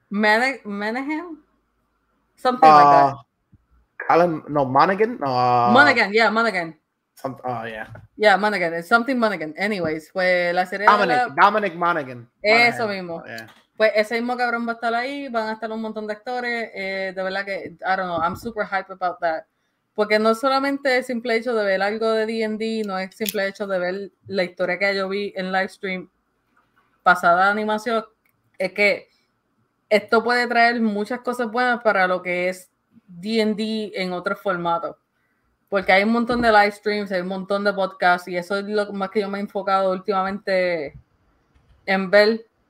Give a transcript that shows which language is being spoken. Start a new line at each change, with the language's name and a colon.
English: Manahan? Something like that. Monaghan? Monaghan, yeah, Monaghan. Yeah, Monaghan. It's something Monaghan. Anyways,
Spanish: pues la serie...
English: Dominic Monaghan.
Spanish: Eso mismo. Yeah. Pues ese mismo cabrón va a estar ahí, van a estar un montón de actores. De verdad que,
English: I don't know, I'm super hyped about that.
Spanish: Porque no solamente es simple hecho de ver algo de D&D, no es simple hecho de ver la historia que yo vi en live stream pasada animación, es que esto puede traer muchas cosas buenas para lo que es D&D en otro formato, porque hay un montón de live streams, hay un montón de podcasts, y eso es lo más que yo me he enfocado últimamente en ver.